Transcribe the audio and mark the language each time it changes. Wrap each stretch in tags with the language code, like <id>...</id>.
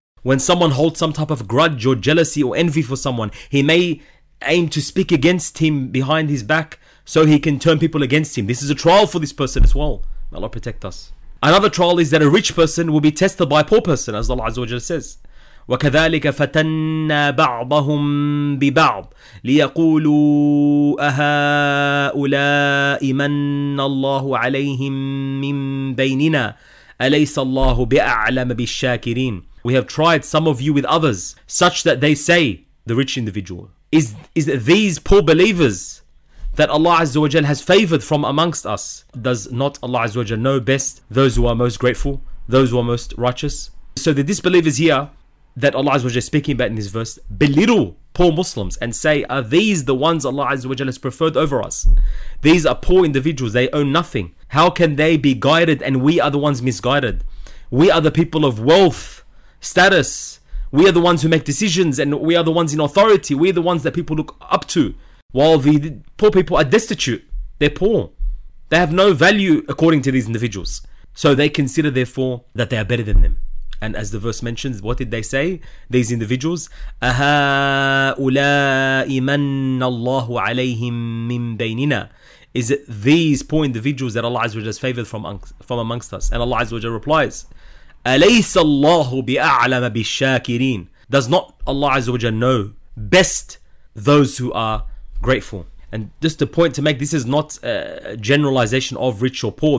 <en>When someone holds some type of grudge or jealousy or envy for someone, he may aim to speak against him behind his back so he can turn people against him. This is a trial for this person as well. May Allah protect us. Another trial is that a rich person will be tested by a poor person, as Allah Azza wa Jalla says.</en> <ar>وكذلك فتنا بعضهم ببعض ليقولوا أهؤلاء من الله عليهم من بيننا أليس الله بأعلم بالشاكرين.</ar> <en>We have tried some of you with others, such that they say, the rich individual, is it these poor believers that Allah Azza wa Jal has favored from amongst us? Does not Allah Azza wa Jal know best those who are most grateful, those who are most righteous? So the disbelievers here that Allah Azza wa Jal is speaking about in this verse belittle poor Muslims and say, are these the ones Allah Azza wa Jal has preferred over us? These are poor individuals, they own nothing. How can they be guided and we are the ones misguided? We are the people of wealth, status. We are the ones who make decisions and we are the ones in authority. We are the ones that people look up to. While the poor people are destitute, they're poor. They have no value according to these individuals. So they consider therefore that they are better than them. And as the verse mentions, what did they say? These individuals,</en> <ar>أَهَٰؤُلَاءِ مَنَّ اللَّهُ عَلَيْهِمْ مِنْ بَيْنِنَا.</ar> <en>Is it these poor individuals that Allah Azza wa Jalla has favored from amongst us? And Allah Azza wa Jalla replies,</en> <ar>أَلَيْسَ اللَّهُ بِأَعْلَمَ بِالشَّاكِرِينَ.</ar> <en>Does not Allah Azza wa Jalla know best those who are grateful? And just a point to make, this is not a generalization of rich or poor.</en>